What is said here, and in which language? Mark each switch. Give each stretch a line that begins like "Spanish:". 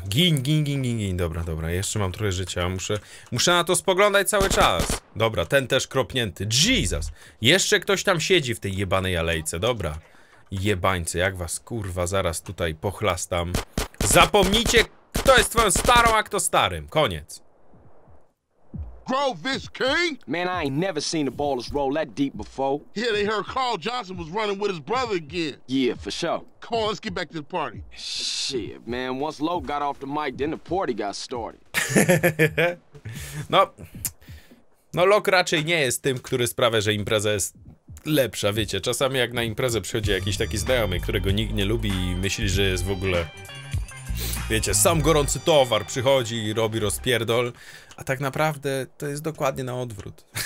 Polish: Gin. Dobra, jeszcze mam trochę życia. Muszę na to spoglądać cały czas. Dobra, ten też kropnięty. Jesus! Jeszcze ktoś tam siedzi w tej jebanej alejce. Dobra. Jebańce, jak was, kurwa, zaraz tutaj pochlastam. Zapomnijcie... Kto jest twoją starą, a kto starym? Koniec.
English: Grove is king? Man, I ain't never seen the ballers roll that deep before. Yeah, they heard Carl Johnson was running with his brother again. Yeah, for sure. Come on, let's get back to the party. Shit, man, once Lowe got off the mic, then the party got started.
Polish: No, Lowe raczej nie jest tym, który sprawia, że impreza jest lepsza, wiecie. Czasami jak na imprezę przychodzi jakiś taki znajomy, którego nikt nie lubi i myśli, że jest w ogóle... Wiecie, sam gorący towar przychodzi i robi rozpierdol, a tak naprawdę to jest dokładnie na odwrót.